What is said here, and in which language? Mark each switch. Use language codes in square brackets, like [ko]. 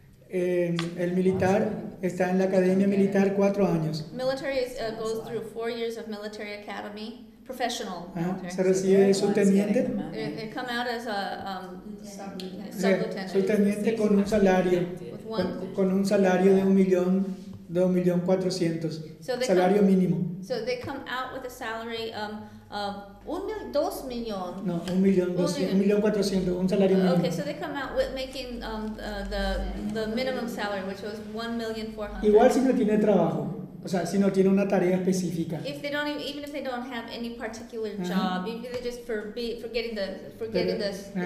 [es] El militar está en la academia militar 4 años. [en] Military goes through 4 years of military academy. Professional. [es] Se recibe de subteniente. [en] They come out as a sub-lieutenant. [es] Subteniente con un salario. Con un salario de 1,400,000. Salario mínimo. [en] So they come out with a salary of 2,000,000. [es] No, 1,400,000. Un salario mínimo. [en] Okay, so they come out with making the minimum salary, which was 1,400,000. [es] Igual si no tiene trabajo. O sea, si no tiene una tarea específica. [en] If they don't even if they don't have any particular job, even if they just for getting this.